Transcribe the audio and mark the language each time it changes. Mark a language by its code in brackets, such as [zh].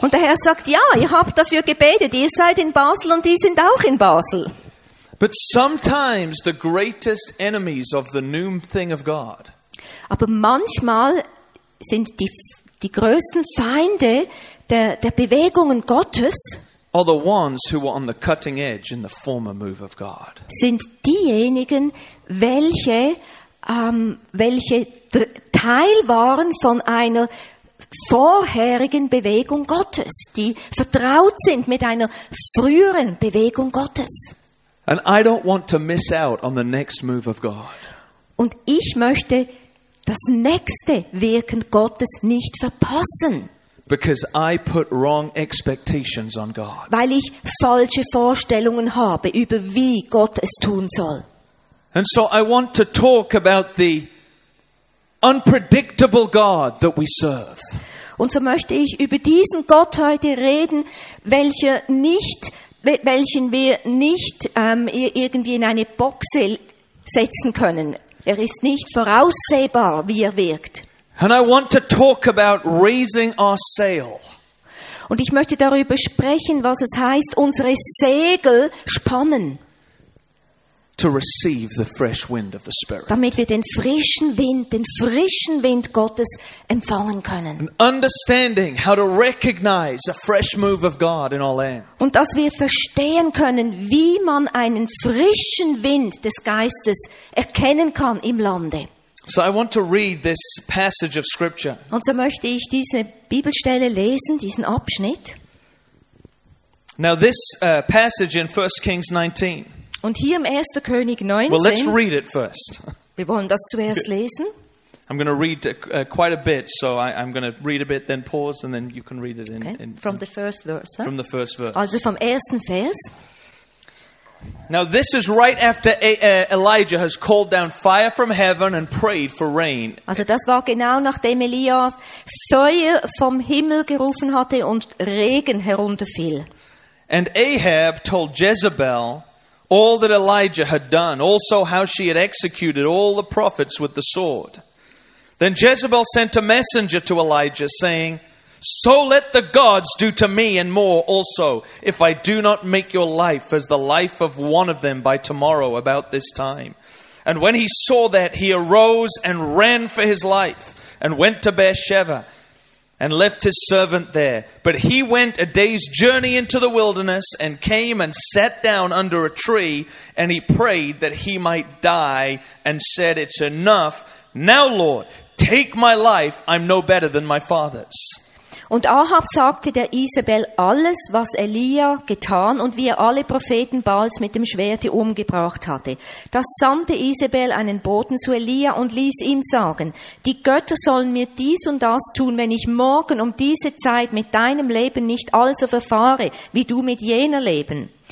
[de] Und der Herr sagt, ja, ihr habt dafür gebetet, ihr seid in Basel und die sind auch in Basel. [en] But sometimes the greatest enemies of the new thing of God. [de] Aber manchmal sind die größten Feinde der Bewegungen Gottes [en] are the ones who were on the cutting edge in the former move of God. [de] Sind diejenigen, welche Teil waren von einer vorherigen Bewegung Gottes, die vertraut sind mit einer früheren Bewegung Gottes. [en] And I don't want to miss out on the next move of God. [de] Und ich möchte das nächste Wirken Gottes nicht verpassen. [en] Because I put wrong expectations on God. [de] Weil ich falsche Vorstellungen habe über wie Gott es tun soll. [en] And so I want to talk about the unpredictable God that we serve. [de] Und so möchte ich über diesen Gott heute reden, welchen wir nicht irgendwie in eine Box setzen können. Er ist nicht voraussehbar, wie er wirkt. [en] And I want to talk about raising our sail. [de] Und ich möchte darüber sprechen, was es heißt, unsere Segel spannen. [en] To receive the fresh wind of the Spirit. [de] Damit wir den frischen Wind Gottes empfangen können. [en] And understanding how to recognize a fresh move of God in our land. [de] Und dass wir verstehen können, wie man einen frischen Wind des Geistes erkennen kann im Lande. [en] So I want to read this passage of scripture. [de] Und so möchte ich diese Bibelstelle lesen, diesen Abschnitt. [en] Now this passage in 1 Kings 19. [de] Und hier im 1. König 19. [en] Well, let's read it first. [de] Wir wollen das zuerst lesen. [en] I'm going to read quite a bit, so I'm going to read a bit, then pause, and then you can read it in from the first verse. From the first verse. [de] Also vom ersten Vers. [en] Now this is right after Elijah has called down fire from heaven and prayed for rain. [de] Also das war genau nachdem Elias Feuer vom Himmel gerufen hatte und Regen herunterfiel. [en] And Ahab told Jezebel all that Elijah had done, also how she had executed all the prophets with the sword. Then Jezebel sent a messenger to Elijah saying, "So let the gods do to me and more also, if I do not make your life as the life of one of them by tomorrow about this time." And when he saw that, he arose and ran for his life and went to Beersheba and left his servant there. But he went a day's journey into the wilderness and came and sat down under a tree, and he prayed that he might die and said, "It's enough. Now, Lord, take my life. I'm no better than my father's." [de] Und Ahab sagte der Isabel alles, was Elia getan und wie er alle Propheten Baals mit dem Schwerte umgebracht hatte. Da sandte Isabel einen Boten zu Elia und ließ ihm sagen, die Götter sollen mir dies und das tun, wenn ich morgen um diese Zeit mit deinem Leben nicht also verfahre, wie du mit jener Leben.